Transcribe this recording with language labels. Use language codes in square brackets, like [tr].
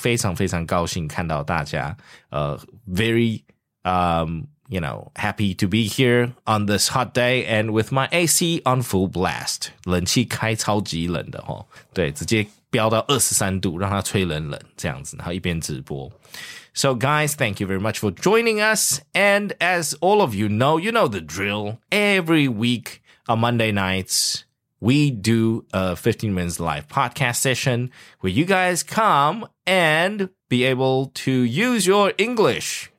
[zh] 非常非常高兴看到大家。 [en] Happy to be here on this hot day and with my AC on full blast. [zh] 冷气开超级冷的齁。对，直接飙到23度让它吹冷冷这样子，然后一边直播。 [en] So guys, thank you very much for joining us. And as all of you know the drill. Every week on Monday nights, we do a 15 Minutes Live podcast session where you guys come and be able to use your English.